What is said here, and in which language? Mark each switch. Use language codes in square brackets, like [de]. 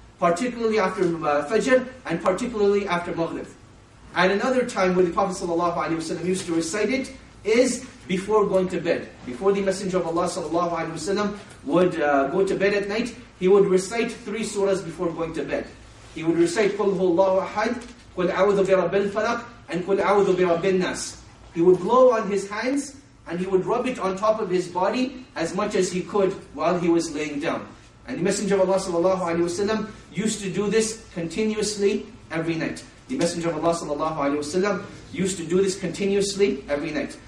[en] Particularly after Fajr and particularly after Maghrib. And another time when the Prophet sallallahu alayhi wa sallam used to recite it is before going to bed. Before the Messenger of Allah sallallahu alayhi wa sallam would go to bed at night, he would recite three surahs before going to bed. He would recite [ar] قُلْ هُوَ اللَّهُ أَحَدْ قُلْ أَعُوذُ بِرَبِّ الْفَلَقْ and قُلْ أَعُوذُ بِرَبِّ النَّاسِ. [en] He would blow on his hands and he would rub it on top of his body as much as he could while he was laying down. And the Messenger of Allah sallallahu alayhi wa sallam used to do this continuously every night. The Messenger of Allah sallallahu alayhi wa sallam used to do this continuously every night.